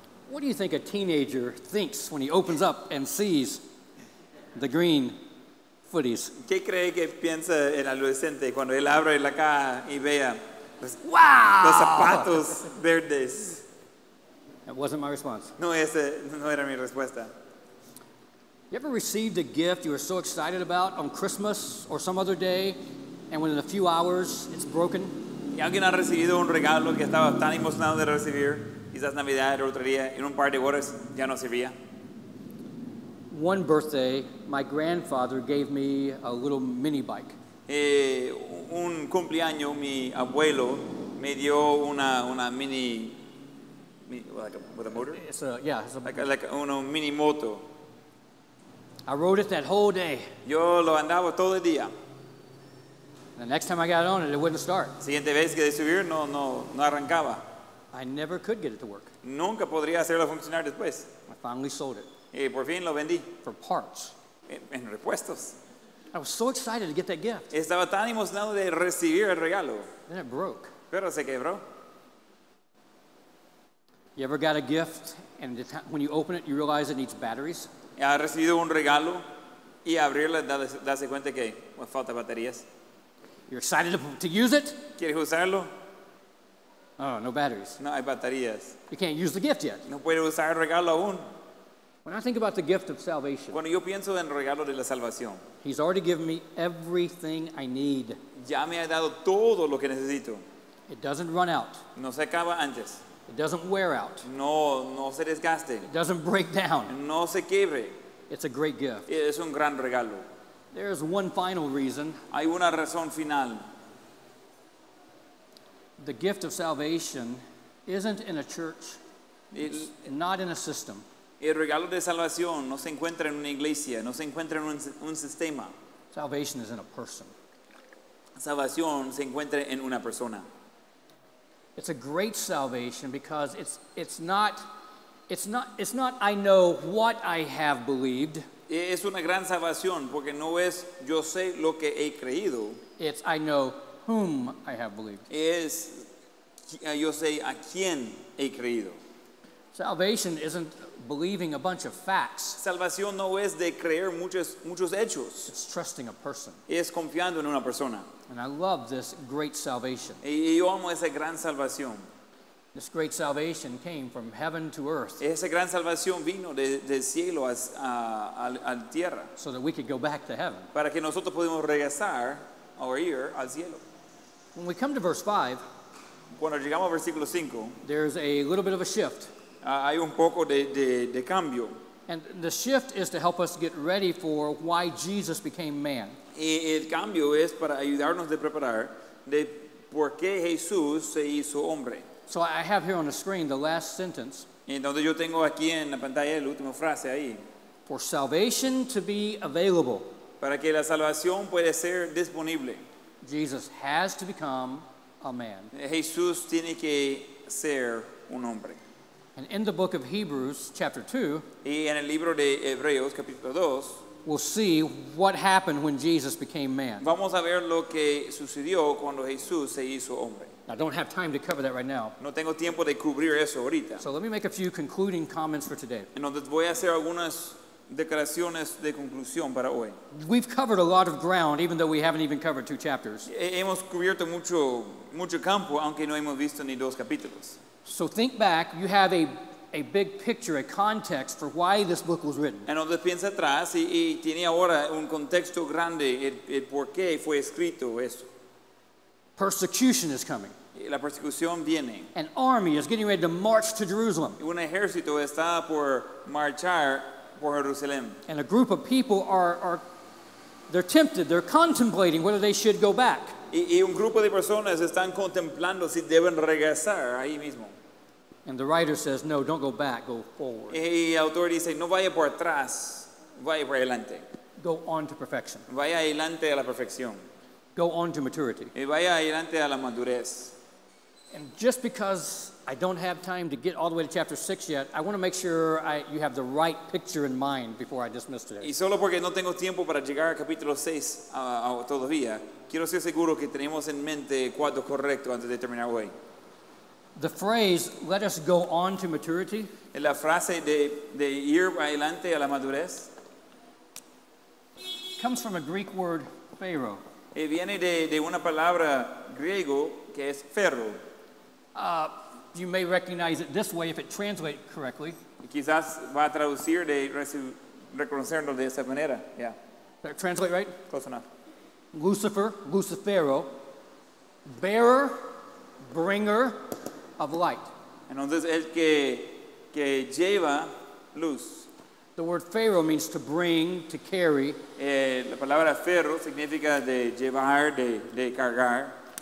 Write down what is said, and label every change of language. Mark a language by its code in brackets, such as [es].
[en] What do you think a teenager thinks when he opens up and sees the green footies? [es] ¿Qué cree que piensa el adolescente cuando él abre la caja y vea los zapatos verdes? [en] That wasn't my response. [es] No, esa no era mi respuesta. [en] You ever received a gift you were so excited about on Christmas or some other day, and within a few hours it's broken? [es] ¿Y alguien ha recibido un regalo que estaba tan emocionado de recibir, quizás Navidad o otro día, en un par de horas ya no servía? [en] One birthday, my grandfather gave me a little mini bike. [es] Un cumpleaños, mi abuelo me dio una mini, [en] like a, with a motor? It's a [es] mini moto. [en] I rode it that whole day. [es] Yo lo andaba todo el día. [en] And the next time I got on it, it wouldn't start. [es] Siguiente vez que subir, no arrancaba. [en] I never could get it to work. [es] Nunca podría hacerlo funcionar después. [en] I finally sold it. [es] Y por fin lo vendí. [en] For parts. [es] En repuestos. [en] I was so excited to get that gift. [es] Estaba tan emocionado de recibir el regalo. [en] Then it broke. [es] Pero se quebró. [en] You ever got a gift and when you open it you realize it needs batteries? [es] ¿Ha recibido un regalo y abrirlo darse cuenta que falta baterías? [en] You're excited to use it? [es] ¿Quieres usarlo? [en] Oh, no batteries. [es] No hay baterías. [en] You can't use the gift yet. [es] No puede usar el regalo aún. [en] When I think about the gift of salvation, [es] cuando yo pienso en el regalo de la salvación, [en] he's already given me everything I need. [es] Ya me ha dado todo lo que necesito. [en] It doesn't run out. [es] No se acaba antes. [en] It doesn't wear out. [es] No se desgaste. [en] It doesn't break down. [es] No se quiebre. [en] It's a great gift. [es] Es un gran regalo. [en] There's one final reason. [es] Hay una razón final. [en] The gift of salvation isn't in a church. It's not in a system. [es] El regalo de salvación no se encuentra en una iglesia, no se encuentra en un sistema. [en] Salvation is in a person. [es] Salvación se encuentra en una persona. [en] It's a great salvation because it's not I know what I have believed. [es] Es una gran salvación porque no es yo sé lo que he creído. [en] It's I know whom I have believed. [es] Es yo sé a quién he creído. [en] Salvation isn't believing a bunch of facts. [es] Salvación no es de creer muchos hechos. [en] It's trusting a person. [es] Es confiando en una persona. [en] And I love this great salvation. [es] Y yo amo esa gran salvación. [en] This great salvation came from heaven to earth. [es] Esa gran salvación vino del cielo a tierra. [en] So that we could go back to heaven. [es] Para que nosotros podemos regresar o ir al cielo. [en] When we come to verse 5, [es] cuando llegamos al versículo 5, [en] there's a little bit of a shift. [es] Hay un poco de cambio. [en] And the shift is to help us get ready for why Jesus became man. [es] Y el cambio es para ayudarnos de preparar de por qué Jesús se hizo hombre. [en] So I have here on the screen the last sentence. [es] Y donde yo tengo aquí en la pantalla la última frase ahí. [en] For salvation to be available. [es] Para que la salvación puede ser disponible. [en] Jesus has to become a man. [es] Jesús tiene que ser un hombre. [en] And in the book of Hebrews, chapter 2, [es] y en el libro de Hebreos, capítulo 2, [en] we'll see what happened when Jesus became man. [es] Vamos a ver lo que sucedió cuando Jesús se hizo hombre. [en] I don't have time to cover that right now. [es] No tengo tiempo de cubrir eso ahorita. [en] So let me make a few concluding comments for today. [es] Entonces voy a hacer algunas declaraciones de conclusión para hoy. [en] We've covered a lot of ground, even though we haven't even covered two chapters. [es] Hemos cubierto mucho, mucho campo, aunque no hemos visto ni dos capítulos. [en] So think back, you have a big picture, a context for why this book was written. [es] Entonces piensa atrás y tiene ahora un contexto grande el por qué fue escrito esto. [en] Persecution is coming. [es] La persecución viene. [en] An army is getting ready to march to Jerusalem. [es] Un ejército está por marchar por Jerusalén. [en] And a group of people are they're tempted, they're contemplating whether they should go back. [es] Y un grupo de personas están contemplando si deben regresar ahí mismo. [en] And the writer says, no, don't go back, go forward. [es] Y el autor dice, no vaya por atrás, vaya por adelante. [en] Go on to perfection. [es] Vaya adelante a la perfección. [en] Go on to maturity. [es] Y vaya adelante a la madurez. [en] And just because I don't have time to get all the way to chapter 6 yet, I want to make sure you have the right picture in mind before I dismiss today. [es] Y solo porque no tengo tiempo para llegar a capítulo 6 todavía, quiero ser seguro que tenemos en mente cuadro correcto antes de terminar hoy. [en] The phrase, let us go on to maturity. [es] La frase de ir adelante a la madurez. [en] Comes from a Greek word, phero. [es] Y viene de una palabra griego que es ferro. [en] You may recognize it this way if it translates correctly. [es] Quizás va a traducir de reconocerlo de esa manera. [en] Yeah. Does that translate right? Close enough. Lucifer, Lucifero, bearer, bringer of light. [es] Entonces el que lleva luz. [en] The word ferro means to bring, to carry. [es] La palabra ferro significa de llevar, de cargar.